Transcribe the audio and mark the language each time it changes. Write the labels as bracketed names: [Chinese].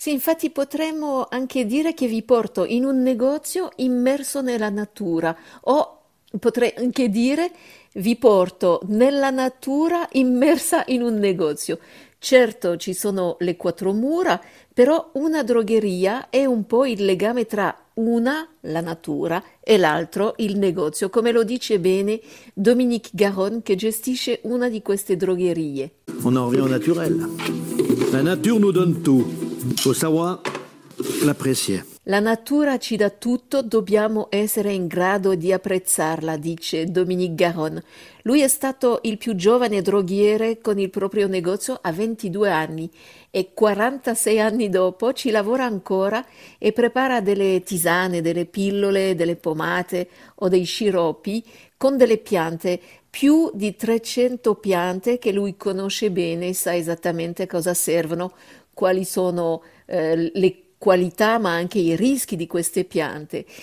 [Italian] Sì, infatti potremmo anche dire che vi porto in un negozio immerso nella natura, o potrei anche dire vi porto nella natura immersa in un negozio. Certo, ci sono le quattro mura, però una drogheria è un po' il legame tra una, la natura, e l'altro, il negozio, come lo dice bene Dominique Garon, che gestisce una di queste drogherie. [French] On en revient au naturel. La nature nous donne tout. Faut savoir l'apprécier. [Italian] La natura ci dà tutto, dobbiamo essere in grado di apprezzarla, dice Dominique Garon. Lui è stato il più giovane droghiere con il proprio negozio a 22 anni e 46 anni dopo ci lavora ancora e prepara delle tisane, delle pillole, delle pomate o dei sciroppi con delle piante, più di 300 piante che lui conosce bene, sa esattamente cosa servono, quali sono le qualità ma anche i rischi di queste piante.